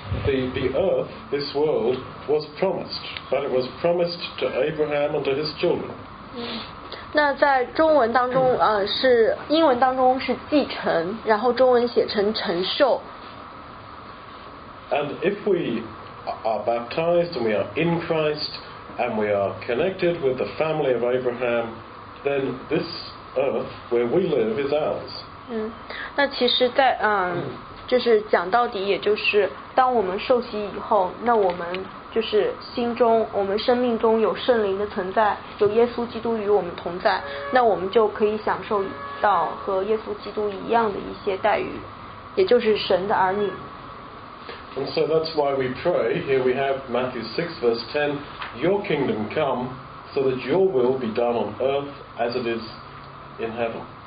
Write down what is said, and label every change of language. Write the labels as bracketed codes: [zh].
[en] The earth, this world, was promised, but it was promised to Abraham and to his children. [zh] 那在中文当中，是英文当中是继承，然后中文写成承受。 [en] And if we are baptized and we are in Christ. And we are connected with the family of Abraham, then this earth where we live is ours. [zh] 那其实在就是讲到底，也就是当我们受洗以后，那我们就是心中，我们生命中有圣灵的存在，有耶稣基督与我们同在，那我们就可以享受到和耶稣基督一样的一些待遇，也就是神的儿女。 [en] And so that's why we pray. Here we have Matthew 6 verse 10. Your kingdom come, so that your will be done on earth as it is in heaven.